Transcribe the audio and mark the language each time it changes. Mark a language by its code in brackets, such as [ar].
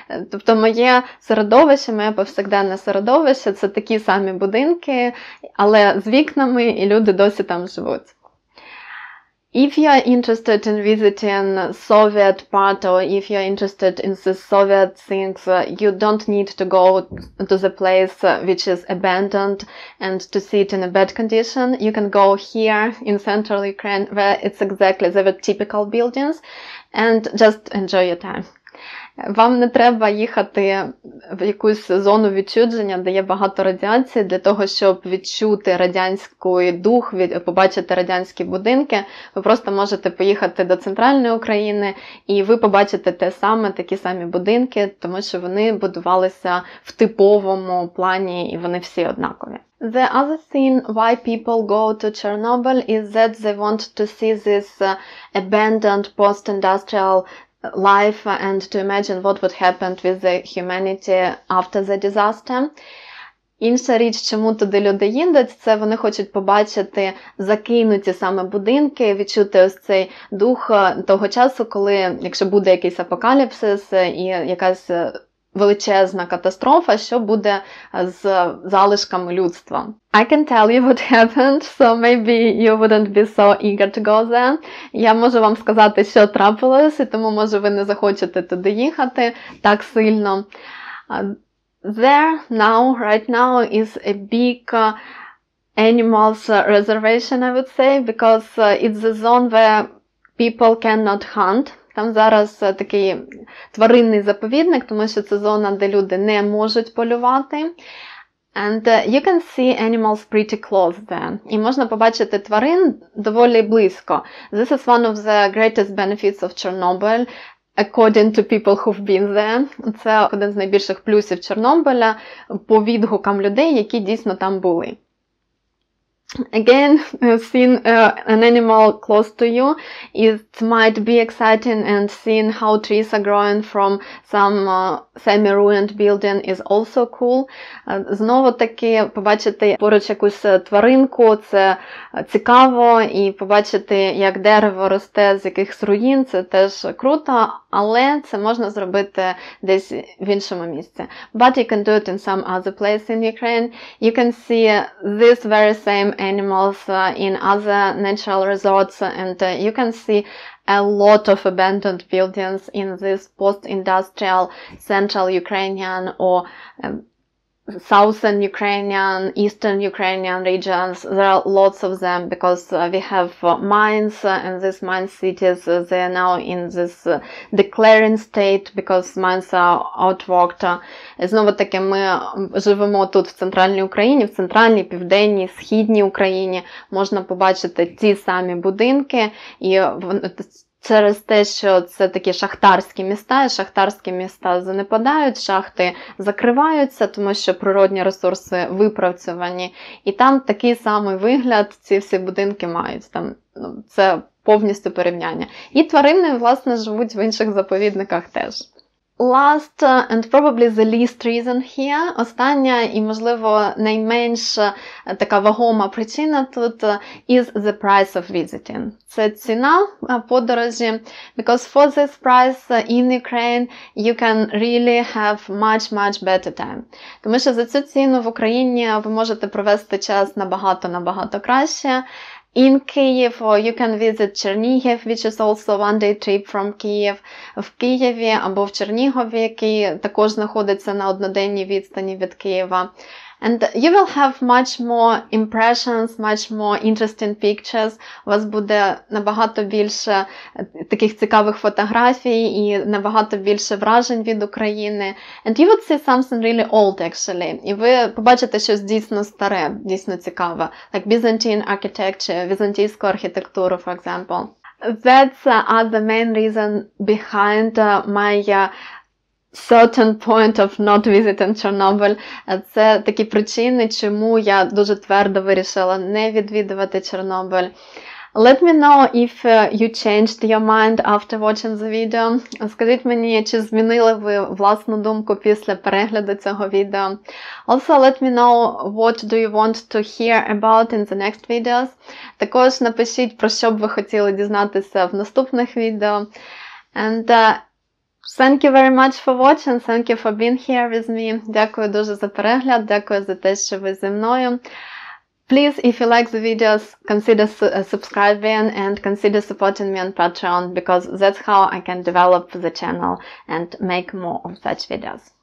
[uk] Тобто моє середовище, моє повсякденне середовище, це такі самі будинки, але з вікнами, і люди досі там живуть. [en] If you are interested in visiting Soviet part, or if you are interested in the Soviet things, you don't need to go to the place which is abandoned and to see it in a bad condition. You can go here in central Ukraine, where it's exactly the typical buildings, and just enjoy your time. [uk] Вам не треба їхати в якусь зону відчуження, де є багато радіації, для того, щоб відчути радянський дух, побачити радянські будинки. Ви просто можете поїхати до центральної України, і ви побачите те саме, такі самі будинки, тому що вони будувалися в типовому плані, і вони всі однакові. [en] The other thing why people go to Chernobyl is that they want to see this abandoned post-industrial life and to imagine what would happen with the humanity after the disaster. [uk] Інша річ, чому туди люди їдуть, це вони хочуть побачити закинуті саме будинки, відчути ось цей дух того часу, коли, якщо буде якийсь апокаліпсис і якась величезна катастрофа, що буде з залишками людства. [en] I can tell you what happened, so maybe you wouldn't be so eager to go there. [uk] Я можу вам сказати, що трапилось, і тому, може, ви не захочете туди їхати так сильно. [en] There now, right now, is a big animals reservation, I would say, because it's a zone where people cannot hunt. [uk] Там зараз такий тваринний заповідник, тому що це зона, де люди не можуть полювати. [en] And you can see animals pretty close there. [uk] І можна побачити тварин доволі близько. [en] This is one of the greatest benefits of Chernobyl, according to people who've been there. [uk] Це один з найбільших плюсів Чорнобиля по відгукам людей, які дійсно там були. [en] Again, seeing an animal close to you, it might be exciting, and seeing how trees are growing from some semi-ruined building is also cool. [uk] Знову таки, побачити поруч якусь тваринку – це цікаво, і побачити, як дерево росте з якихось руїн – це теж круто, але це можна зробити десь в іншому місці. [en] But you can do it in some other place in Ukraine. You can see this very same animals in other natural resorts, and you can see a lot of abandoned buildings in this post-industrial central Ukrainian or southern Ukrainian, eastern Ukrainian regions. There are lots of them because we have mines, and these mine cities, they are now in this declaring state because mines are outworked. [uk] Знову таки, ми живемо тут в центральній Україні, в центральній, південній, східній Україні. Можна побачити ті самі будинки, і через те, що це такі шахтарські міста занепадають, шахти закриваються, тому що природні ресурси випрацьовані. І там такий самий вигляд ці всі будинки мають. Там, це повністю порівняння. І тварини, власне, живуть в інших заповідниках теж. [en] Last and probably the least reason here, [uk] остання і, можливо, найменш така вагома причина тут, [en] is the price of visiting. [uk] Це ціна подорожі, [en] because for this price in Ukraine you can really have much, much better time. [uk] Тому що за цю ціну в Україні ви можете провести час набагато-набагато краще. [en] In Kyiv, or you can visit Chernihiv, which is also one day trip from Kyiv. [uk] В Києві або в Чернігові, який також знаходиться на одноденній відстані від Києва. [en] And you will have much more impressions, much more interesting pictures. [uk] У вас буде набагато більше таких цікавих фотографій і набагато більше вражень від України. [en] And you would see something really old, actually. [uk] І ви побачите щось дійсно старе, дійсно цікаве. [en] Like Byzantine architecture, [uk] візантійську архітектуру, [en] for example. That's the main reason behind my certain point of not visiting Chernobyl. [uk] Це такі причини, чому я дуже твердо вирішила не відвідувати Чернобиль. [en] Let me know if you changed your mind after watching the video. [uk] Скажіть мені, чи змінили ви власну думку після перегляду цього відео. [en] Also, let me know what do you want to hear about in the next videos. [uk] Також напишіть, про що б ви хотіли дізнатися в наступних відео. [en] And thank you very much for watching, thank you for being here with me. [uk] Дякую дуже за перегляд, дякую за те, що ви зі мною. [en] Please, if you like the videos, consider subscribing and consider supporting me on Patreon, because that's how I can develop the channel and make more of such videos.